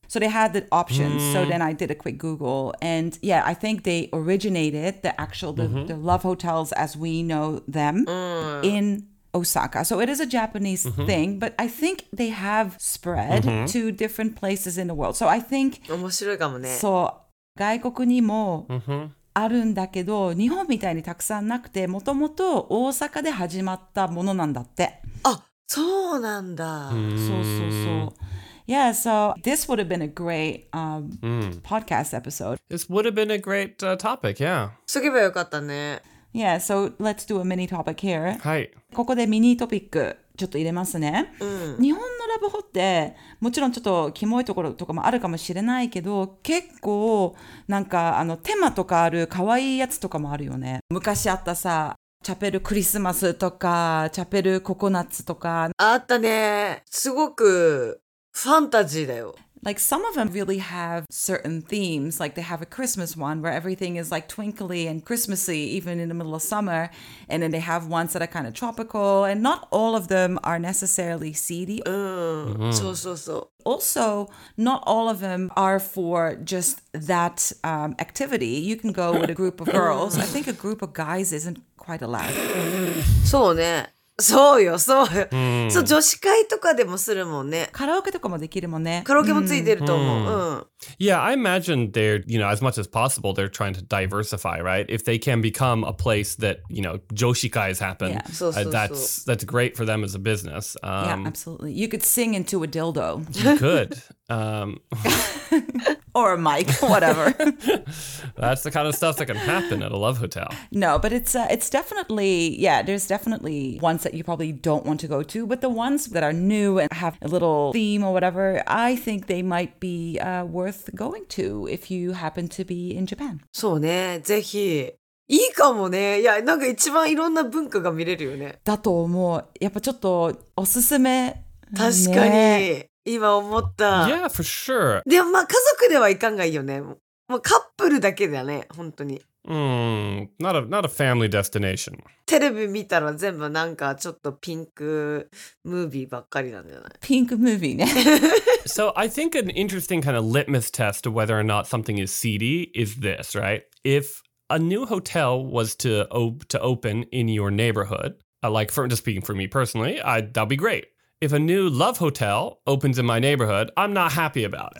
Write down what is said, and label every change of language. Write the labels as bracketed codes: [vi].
[en] So they had the options. So then I did a quick Google. And yeah, I think they originated the love hotels as we know them in Osaka. So it is a Japanese thing, but I think they have spread to different places in the world. So I think... [ja] 面白いかもね。そう。外国にもあるんだけど、日本みたいにたくさんなくて、もともと大阪で始まったものなんだって。あ、そうなんだ。そうそうそう。 [en] Yeah, so this would have been a great podcast episode. This would have been a great topic, yeah. [ja] すげばよかったね。 [en] Yeah, so let's do a mini topic here. [ja] はい。ここでミニトピックちょっと入れますね、うん、日本のラブホってもちろんちょっとキモいところとかもあるかもしれないけど結構なんかあの手間とかある可愛いやつとかもあるよね昔あったさチャペルクリスマスとかチャペルココナッツとかあったねすごくファンタジーだよ [en] Like some of them really have certain themes, like they have a Christmas one where everything is like twinkly and Christmassy even in the middle of summer, and then they have ones that are kind of tropical, and not all of them are necessarily seedy. So, so, so. Also, not all of them are for just that activity. You can go with a group of girls. I think a group of guys isn't quite allowed. [ja] So, ne. そうよ、そうよ、うん。そう、女子会とかでもするもんね。カラオケとかもできるもんね。カラオケもついてると思う。うん。うん、 [en] yeah, I imagine they're, you know, as much as possible, they're trying to diversify, right? If they can become a place that, you know, 女子会 s happen, yeah. [ja] そうそうそう [en] that's great for them as a business. Yeah, absolutely. You could sing into a dildo. You could. Or a mic, whatever. That's the kind of stuff that can happen at a love hotel. No, but it's definitely, yeah, there's definitely ones that you probably don't want to go to. But the ones that are new and have a little theme or whatever, I think they might be worth going to if you happen to be in Japan. [ja] そうね、ぜひ。いいかもね。いや、なんか一番いろんな文化が見れるよね。だと思う。やっぱちょっとおすすめ。確かに。ね今思った。 [en] Yeah, for sure. [ja] でもまあ家族ではいかんがいいよね。もうカップルだけだね、本当に。 [en] Not a family destination. [ja] テレビ見たら全部なんかちょっとピンクムービーばっかりなんじゃない？ピンクムービーね。 [en] So I think an interesting kind of litmus test of whether or not something is seedy is this, right? If a new hotel was to open in your neighborhood, like for just speaking for me personally, that'd be great. If a new love hotel opens in my neighborhood, I'm not happy about it.